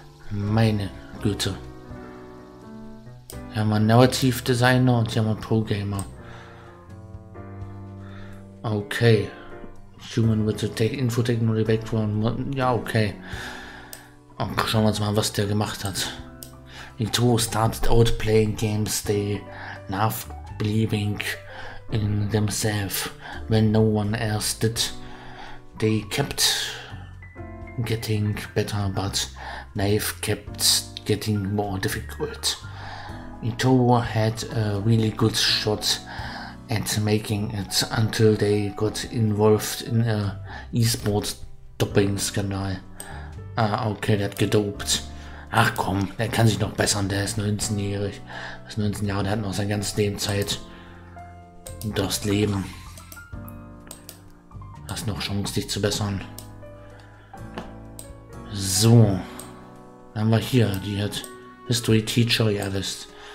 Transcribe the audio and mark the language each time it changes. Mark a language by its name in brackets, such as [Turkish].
[German] Meine Güte. Wir haben einen Narrative Designer und wir haben einen Pro-Gamer. [English] Okay. Human with the Infotechnology Background. [German] Ja, okay. Und schauen wir uns mal, was der gemacht hat. [English] Itoro started out playing games they loved believing in themselves when no one else did. They kept getting better, but life kept getting more difficult. Itoro had a really good shot at making it until they got involved in a esports doping scandal. [German] Ah, okay, der hat gedopt. Ach komm, der kann sich noch bessern, der ist 19-jährig. Ist 19 Jahre, der hat noch sein ganzes Leben Zeit. Und das Leben. Hast noch Chance, dich zu bessern. So. Dann haben wir hier, die hat History Teacher, ja, das ist.